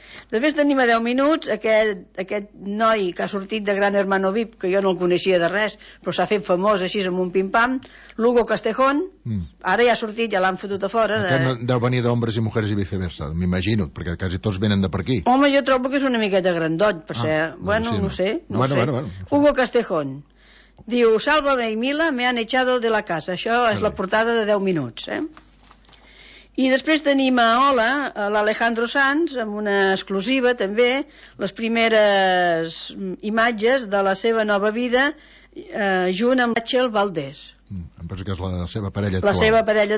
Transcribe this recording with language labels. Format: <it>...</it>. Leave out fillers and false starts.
<ca>Després tenim a 10 minuts aquest noi que ha sortit de Gran Hermano VIP, que jo no el coneixia de res, però s'ha fet famós així amb un pim-pam, Lugo Castejón, ara ja ha sortit, ja l'han fotut a fora. Deu venir d'Hombres i Mujeres i viceversa, m'imagino, perquè quasi tots venen de per aquí. Home, jo trobo que és una miqueta grandot, per ser... No ho sé. Hugo Castejón. Diu,</ca> <es>Sálvame y Mila me han echado de la casa.</es> <ca>Això és la portada de 10 minuts, eh? I després tenim a Hola, a l'Alejandro Sanz, amb una exclusiva també, les primeres imatges de la seva nova vida junt amb Rachel Valdés. Em penso que és la seva parella</ca>